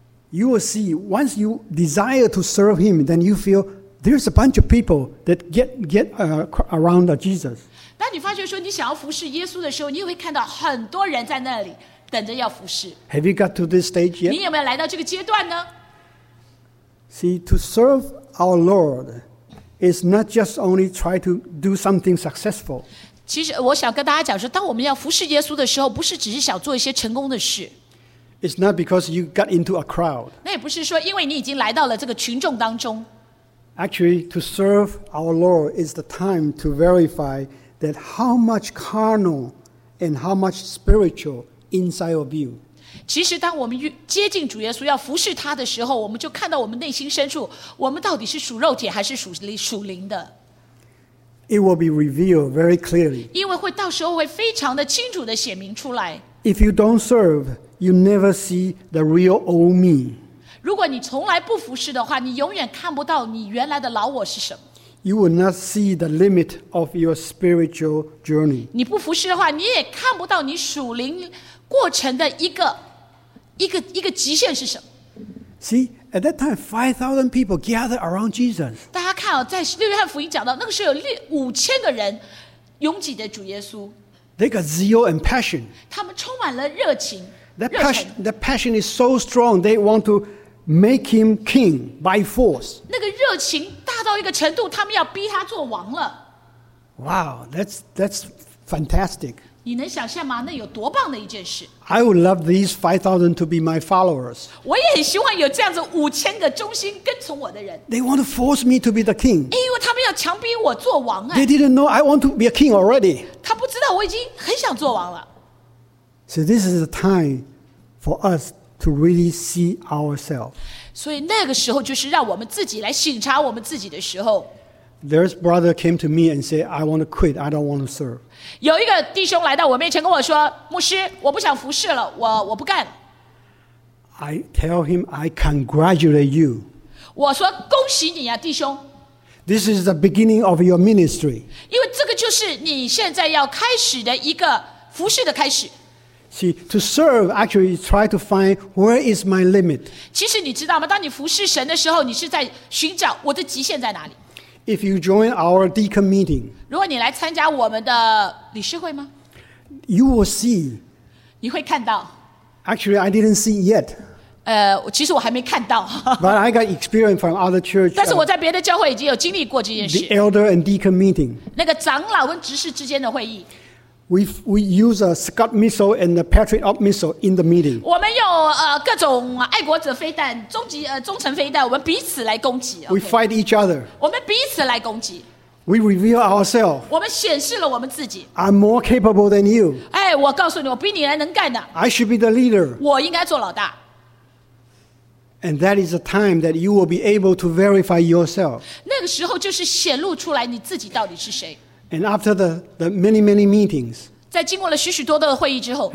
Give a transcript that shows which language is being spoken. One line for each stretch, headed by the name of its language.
English: You will see, once you desire to serve him, then you feel there's a bunch of people that get around Jesus.
Chinese: 当你发觉说你想要服侍耶稣的时候，你会看到很多人在那里等着要服侍。
English: Have you got to this stage yet?
Chinese: 你有没有来到这个阶段呢？
English: See, to serve our Lord is not just only try to do something successful.
Chinese: 其实我想跟大家讲说，当我们要服侍耶稣的时候，不是只是想做一些成功的事。
English: It's not because you got into a crowd.
Chinese: 那也不是说因为你已经来到了这个群众当中。
English: Actually, to serve our Lord is the time to verify that how much carnal and how much spiritual inside of you.
Chinese: 其实当我们接近主耶稣要服侍他的时候，我们就看到我们内心深处，我们到底是属肉体还是属灵的。
English: It will be revealed very clearly.
Chinese: 因为会到时候会非常的清楚的显明出来。
English: If you don't serve,You never see the real old me.
Chinese: 如果你从来不服侍的话，你永远看不到你原来的老我是什么。
English: You will not see the limit of your spiritual journey.
Chinese: 你不服侍的话，你也看不到你属灵过程的一个极限是什么。
English: See, at that time, 5,000 people gathered around Jesus.
Chinese: 大家看哦，在六约翰福音讲到，那个时候有五千个人拥挤的主耶稣。
English: They got zeal and passion.
Chinese: 他们充满了热情。
English: That passion is so strong, they want to make him king by force.
Chinese: 那个热情大到一个程度，他们要逼他做王了。
English: Wow, that's fantastic.
Chinese: 你能想象吗？那有多棒的一件事。
English: I would love these 5,000 to be my followers.
Chinese: 我也很希望有这样子5,000个忠心跟从我的人。
English: They want to force me to be the king.
Chinese: 因为他们要强逼我做王啊。
English: They didn't know I want to be a king already.
Chinese: 他不知道我已经很想做王了。
English: So this is the time for us to really see ourselves.
Chinese: 所以那个时候就是让我们自己来省察我们自己的时候。
English: There's brother came to me and said, I want to quit. I don't want to serve.
Chinese: 有一个弟兄来到我面前跟我说，牧师，我不想服侍了，我不干。
English: I tell him, I congratulate you.
Chinese: 我说恭喜你啊，弟兄。
English: This is the beginning of your ministry.
Chinese: 因为这个就是你现在要开始的一个服侍的开始。
English: See, to serve, actually, try to find where is my limit.
Chinese: 其实你知道吗？当你服侍神的时候，你是在寻找我的极限在哪里。
English: If you join our deacon meeting,
Chinese: 如果你来参加我们的理事会吗？
English: You will see.
Chinese: 你会看到。
English: Actually, I didn't see yet.
Chinese: 其实我还没看到。
English: But I got experience from other church.
Chinese: 但是我在别的教会已经有经历过这件事。
English: The elder and deacon meeting.
Chinese: 那个长老跟执事之间的会议。
English: We use a Scud missile and a Patriot missile in the meeting.
Chinese: 我们有各种爱国者飞弹、中程飞弹，我们彼此来攻击。
English: We fight each other.
Chinese: 我们彼此来攻击。
English: We reveal ourselves.
Chinese: 我们显示了我们自己。
English: I'm more capable than you.
Chinese: 哎，我告诉你，我比你来能干的。
English: I should be the leader.
Chinese: 我应该做老大。
English: And that is the time that you will be able to verify yourself.
Chinese: 那个时候就是显露出来你自己到底是谁。
English: And after the many many meetings,
Chinese: 在经过了许许多多的会议之后